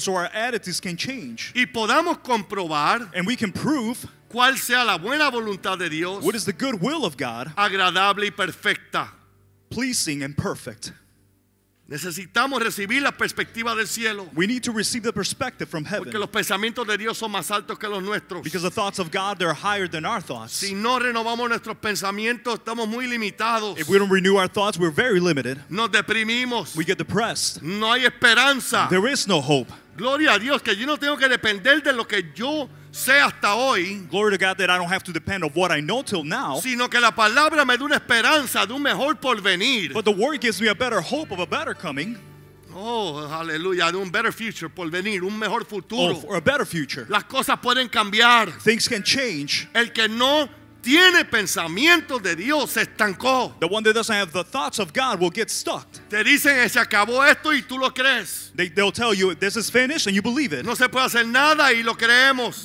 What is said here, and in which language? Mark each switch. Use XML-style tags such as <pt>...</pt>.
<en>so our attitudes can change,</en> <es>y podamos comprobar,</es> <en>and we can prove,</en> <es>cuál sea la buena voluntad de Dios,</es> <en>what is the good will of God,</en> <es>agradable y perfecta,</es> <en>pleasing and perfect.</en> <es>Necesitamos recibir la perspectiva del cielo.</es> <en>We need to receive the perspective from heaven.</en> <es>Porque los pensamientos de Dios son más altos que los nuestros.</es> <en>Because the thoughts of God, they're higher than our thoughts.</en> <es>Si no renovamos nuestros pensamientos, estamos muy limitados.</es> <en>If we don't renew our thoughts, we're very limited.</en> <es>Nos deprimimos.</es> <en>We get depressed.</en> <es>No hay esperanza.</es> <en>There is no hope.</en> <es>Gloria a Dios que yo no tengo que depender de lo que yo sé hasta hoy.</es> <en>Glory to God that I don't have to depend on what I know till now.</en> <es>Sino que la palabra me da una esperanza de un mejor porvenir.</es> <en>But the word gives me a better hope of a better coming.</en> <es>Oh, aleluya, de un</es> <en>better future</en> <es>porvenir, un mejor futuro.</es> <en>Oh, for a better future.</en> <es>Las cosas pueden cambiar.</es> <en>Things can change.</en> <es>El que no tiene pensamientos de Dios se estancó.</es> <en>The one that doesn't have the thoughts of God will get stuck.</en> <es>Te dicen se acabó esto y tú lo crees.</es> <en>They'll tell you this is finished and you believe it.</en> <es>No se puede hacer nada y lo creemos.</es>